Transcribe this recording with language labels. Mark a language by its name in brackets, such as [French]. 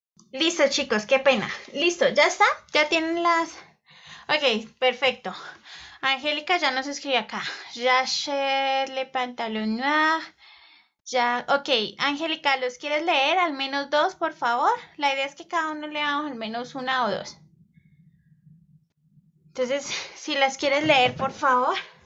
[Spanish] Listo, chicos, qué pena. Listo, ¿ya está? ¿Ya tienen las...? Ok, perfecto. Angélica ya nos escribe acá. [French] J'achète le pantalon noir. [Spanish] Ya, ok, Angélica, ¿los quieres leer? Al menos dos, por favor. La idea es que cada uno lea al menos una o dos. Entonces, si las quieres leer, por favor.